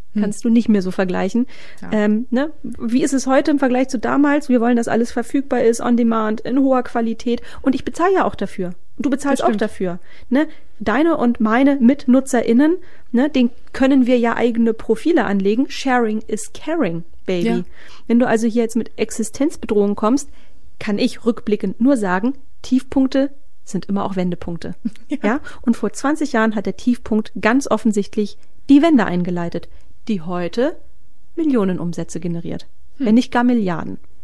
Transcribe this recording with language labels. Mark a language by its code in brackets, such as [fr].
[de] Kannst du nicht mehr so vergleichen. Ja. Ne? Wie ist es heute im Vergleich zu damals? Wir wollen, dass alles verfügbar ist, on demand, in hoher Qualität. Und ich bezahle ja auch dafür. Du bezahlst auch dafür. Ne? Deine und meine MitnutzerInnen, ne, den können wir ja eigene Profile anlegen. [en] Sharing is caring, baby. [de] Ja. Wenn du also hier jetzt mit Existenzbedrohung kommst, kann ich rückblickend nur sagen, Tiefpunkte sind immer auch Wendepunkte. Ja. Ja? Und vor 20 Jahren hat der Tiefpunkt ganz offensichtlich die Wende eingeleitet, die heute Millionenumsätze generiert, wenn nicht gar Milliarden.